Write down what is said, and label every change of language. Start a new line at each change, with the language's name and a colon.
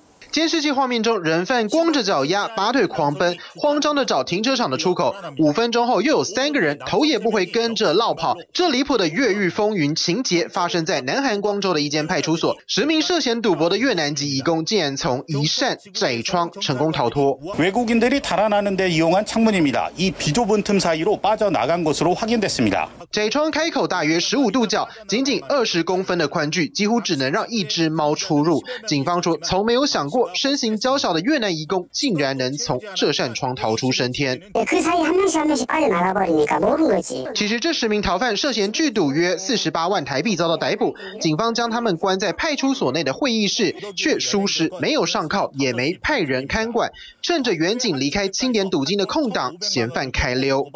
Chinese: 监视器画面中，人贩光着脚丫拔腿狂奔，慌张地找停车场的出口。 5分钟后，又有3个人头也不回跟着落跑。这离谱的越狱风云情节发生在南韩光州的一间派出所，十名涉嫌赌博的越南籍移工竟然从一扇窄窗成功逃脱。
Korean: 외국인들이달아나는데이용한창문입니다이비좁은틈사이로빠져나간것으로확인됐습니다
Chinese: 窄窗开口大约15度角，仅仅20公分的宽距，几乎只能让一只猫出入。警方说，从没有想过身形娇小的越南移工竟然能从这扇窗逃出生天。其实这十名逃犯涉嫌聚赌约48万台币遭到逮捕，警方将他们关在派出所内的会议室，却疏失没有上铐，也没派人看管，趁着远警离开清点赌金的空档，嫌犯开溜。